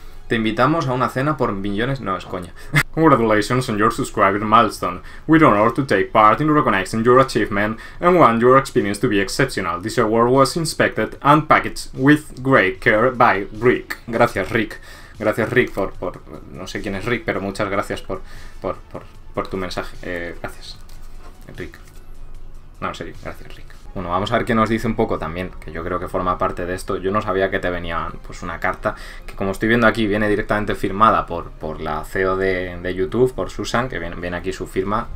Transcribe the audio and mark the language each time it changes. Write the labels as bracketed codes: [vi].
[es] Te invitamos a una cena por millones... No, es coña. [en] Congratulations on your subscriber milestone. We're honored to take part in recognizing your achievement and want your experience to be exceptional. This award was inspected and packaged with great care by Rick. [es] Gracias, Rick. Gracias, Rick, por... No sé quién es Rick, pero muchas gracias por tu mensaje. Gracias, Rick. No, en serio, gracias, Rick. Bueno, vamos a ver qué nos dice un poco también, que yo creo que forma parte de esto. Yo no sabía que te venía pues una carta, que como estoy viendo aquí, viene directamente firmada por la CEO de YouTube, por Susan, que viene aquí su firma.